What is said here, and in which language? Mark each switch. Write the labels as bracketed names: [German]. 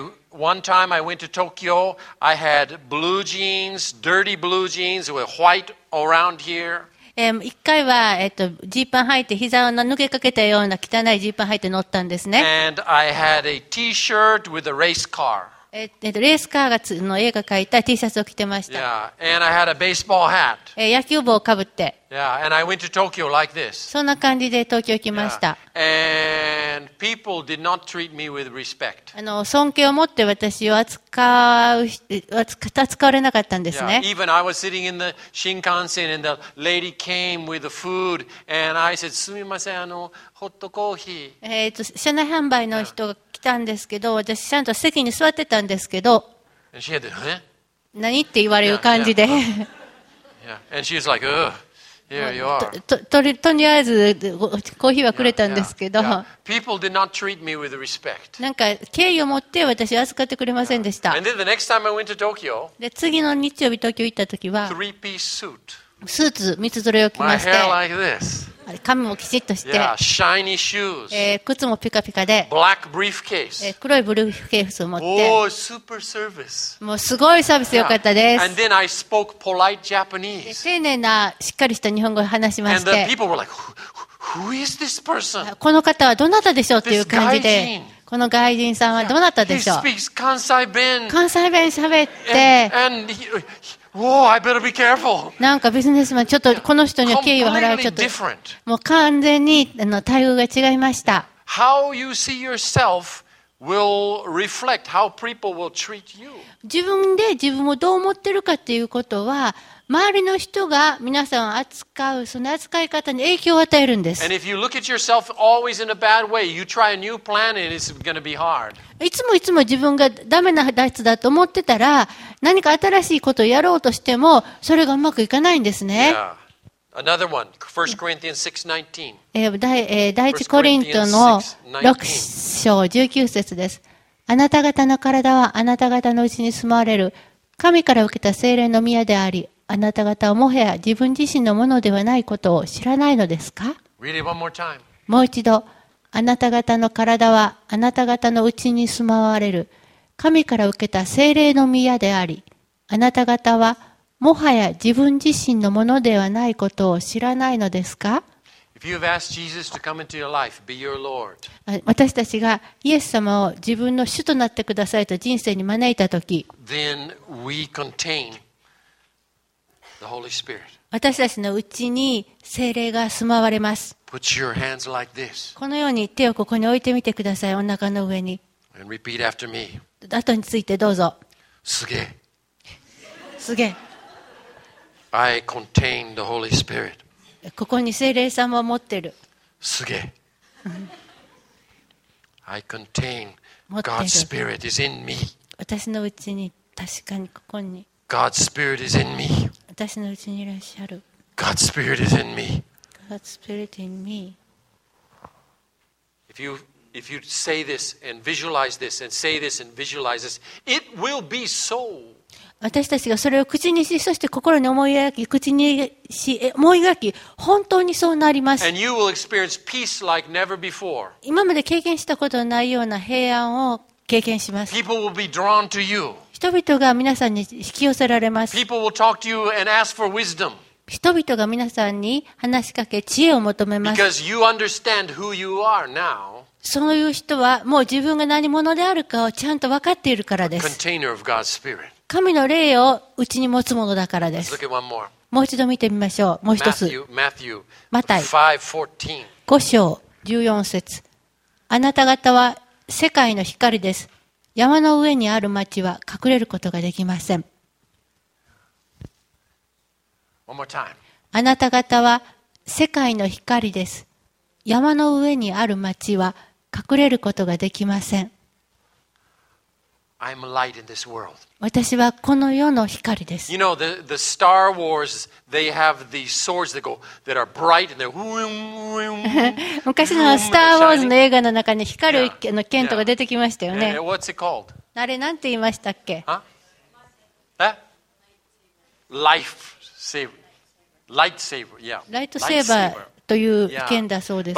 [English] One time I went to Tokyo, I had blue jeans, dirty blue jeans with white around here. [Japanese] 一回は、ジーパン履いて膝を抜けかけたような汚いジーパン履いて乗ったんですね。 [English] And I had a T-shirt with a race car. [Japanese] レースカーがの絵が描いた T シャツを着てました。 [English] Yeah, and I had a baseball hat. [Japanese] 野球帽をかぶって。 [English] Yeah, and I went to Tokyo like this. [Japanese] そんな感じで東京行きました。 [English] Yeah. And people did not treat me with respect. [Japanese] 尊敬を持って私を扱われなかったんですね。 [English] Yeah. Even I was sitting in the Shinkansen and the lady came with the food and I said, [Japanese] すみません、ホットコーヒー。車内販売の人が来たんですけど、私ちゃんと席に座ってたんですけど、 [English] And she had the, huh? [Japanese] 何って言われる感じで。 [English] Yeah. And she was like, ugh. Here you are. [Japanese] とりあえずコーヒーはくれたんですけど、 [English] People did not treat me with respect. [Japanese] なんか敬意を持って私を扱ってくれませんでした。 [English] And then the next time I went to Tokyo, [Japanese] で次の日曜日東京行った時は、 [English] three-piece suit. [Japanese] スーツ三つ揃えを着まして、 [English] My hair like this. [Japanese] 髪もきちっとして、 [English] shiny shoes. [Japanese] 靴もピカピカで、 [English] black briefcase. [Japanese] 黒いブリーフケースを持って、 [English] Oh, super service. [Japanese] もうすごいサービス良かったです。 [English] And then I spoke polite Japanese. [Japanese] 丁寧なしっかりした日本語を話しまして、 [English] And the people were like, who is this person? [Japanese] この方はどなたでしょうという感じで、この外人さんはどなたでしょう。 [English] He speaks 関西弁。 [Japanese] 関西弁喋って、 [English] And Whoa, I better be careful. [Japanese] なんかビジネスマンちょっとこの人には敬意を払うちょっともう完全に待遇が違いました。 [English] How you see yourself will reflect how people will treat you. [Japanese] 自分で自分をどう思ってるかっていうことは周りの人が皆さんを扱うその扱い方に影響を与えるんです。 [English] And if you look at yourself always in a bad way, you try a new plan and it's going to be hard. [Japanese] いつもいつも自分がダメなやつだと思ってたら、何か新しいことをやろうとしても、それがうまくいかないんですね。 [English] Yeah. Another one. 1 Corinthians 6:19. [Japanese] 第1コリントの6章19節です。あなた方の体はあなた方のうちに住まわれる。神から受けた聖霊の宮であり、あなた方はもはや自分自身のものではないことを知らないのですか？ [English] Read it one more time. [Japanese] もう一度。あなた方の体はあなた方のうちに住まわれる神から受けた聖霊の宮でありあなた方はもはや自分自身のものではないことを知らないのですか？ [English] If you've asked Jesus to come into your life, be your Lord. [Japanese] 私たちがイエス様を自分の主となってくださいと人生に招いたとき [English] Then we contain the Holy Spirit. [Japanese] 私たちのうちに聖霊が住まわれます。 [English] Put your hands like this. [Japanese] このように手をここに置いてみてください、お腹の上に。 [English] And repeat after me. [Japanese] 後についてどうぞ。すげえ。すげえ。 [English] I contain the Holy Spirit. [Japanese] ここに聖霊様を持ってる。すげえ。 [English] I contain God's Spirit is in me. [Japanese] 私のうちに確かにここに。 [English] God's Spirit is in me. [Japanese] 私のうちにいらっしゃる。 [English] God's Spirit is in me. God's Spirit in me. If you say this and visualize this and say this and visualize this, it will be so. [Japanese] 私たちがそれを口にし、そして心に思い描き、口にし、思い描き、本当にそうなります。 [English] And you will experience peace like never before. [Japanese] 今まで経験したことのないような平安を経験します。 [English] People will be drawn to you. [Japanese] 人々が皆さんに引き寄せられます。 [English] People will talk to you and ask for wisdom. [Japanese] 人々が皆さんに話しかけ、知恵を求めます。 [English] Because you understand who you are now. [Japanese] そういう人はもう自分が何者であるかをちゃんと分かっているからです。 [English] A container of God's spirit. [Japanese] 神の霊をうちに持つものだからです。 [English] Let's look at one more. [Japanese] もう一度見てみましょう。もう一つ。 [English] Matthew. [Japanese] マタイ。 [English] 5:14. [Japanese] 五章十四節。あなた方は世界の光です。山の上にある町は隠れることができません。あなた方は世界の光です。山の上にある町は隠れることができません。 [English] I'm light in this world. [Japanese] 私はこの世の光です。 [English] You know, the Star Wars, they have these swords that go, that are bright and they're whoom, [Japanese] whoom, 昔のスターウォーズの映画の中に光る剣とか出てきましたよね。 [English] What's it called? [Japanese] あれなんて言いましたっけ？ [English] Huh? Eh? Lightsaber. Lightsaber, yeah. [Japanese] Lightsaber という剣だそうです。